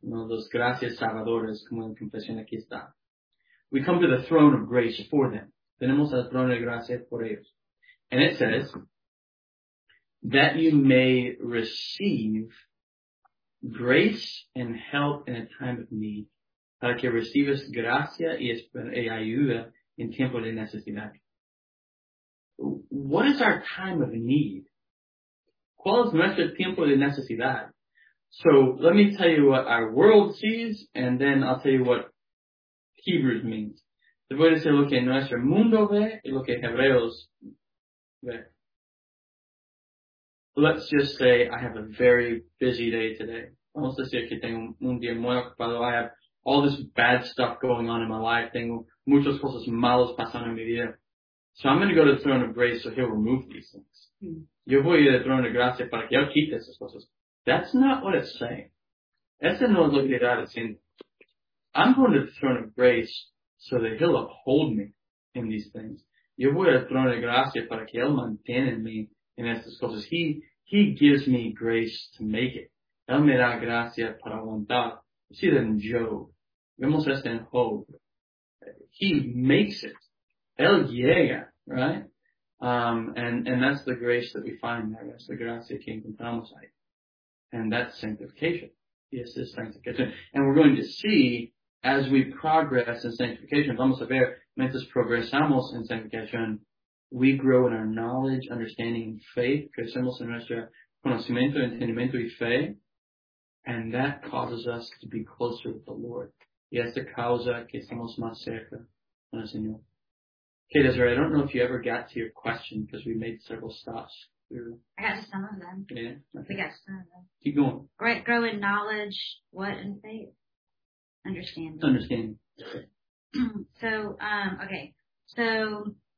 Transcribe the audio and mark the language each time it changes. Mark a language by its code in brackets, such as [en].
[en] You know, those [es] gracias salvadores, como en confesión aquí está. [en] We come to the throne of grace for them. [es] Tenemos el trono de gracia por ellos. [en] And it says, that you may receive grace and help in a time of need. [es] Para que recibas gracia y ayuda en tiempo de necesidad. [en] What is our time of need? [es] ¿Cuál es nuestro tiempo de necesidad? [en] So let me tell you what our world sees, and then I'll tell you what Hebrews means. [es] Te voy a decir lo que nuestro mundo ve y lo que Hebreos ve. [en] Let's just say I have a very busy day today. [es] Vamos a decir que tengo un día muy ocupado. [en] I have all this bad stuff going on in my life. [es] Tengo muchas cosas malas pasando en mi vida. [en] So I'm going to go to the throne of grace so he'll remove these things. [es] Yo voy a ir al trono de gracia para que él quite esas cosas. [en] That's not what it's saying. [es] Ese no es lo que está diciendo. [en] I'm going to the throne of grace so that he'll uphold me in these things. [es] Yo voy al trono de gracia para que él mantenga me en estas cosas. [en] He gives me grace to make it. [es] Él me da gracia para aguantar. [en] You see that in Job. [es] Vemos esto en Job. [en] He makes it. [es] Él llega, [en] right? And that's the grace that we find there. That's the [es] gracia que encontramos ahí. [en] And that's sanctification. Yes, it's sanctification. And we're going to see, as we progress in sanctification, [es] vamos a ver, mientras progresamos en [en] sanctification, we grow in our knowledge, understanding, and faith. [es] Crecemos en nuestro conocimiento, entendimiento y fe. [en] And that causes us to be closer with the Lord. [es] Y es la causa que estamos más cerca con el Señor. [en] Okay, Desiree, I don't know if you ever got to your question, because we made several stops. I got some of them. Yeah. Okay. I got some of them. Keep going. Right, grow in knowledge, what, and faith? Understanding. Understanding. So, okay.